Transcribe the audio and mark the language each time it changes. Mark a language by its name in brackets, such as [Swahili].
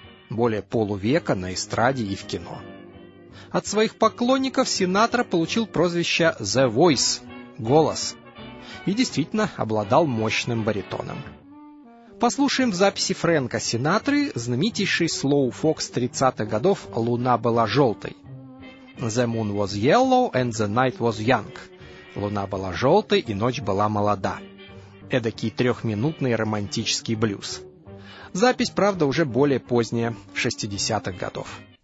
[Russian] Более полувека на эстраде и в кино. От своих поклонников Синатра получил прозвище «The Voice» — «Голос». И действительно обладал мощным баритоном. Послушаем в записи Фрэнка Синатры знаменитейший слоу-фокс 30-х годов «Луна была желтой». [English] «The moon was yellow and the night was young». [Russian] «Луна была желтой и ночь была молода». Эдакий трехминутный романтический блюз. Запись, правда, уже более поздняя, 60-х годов.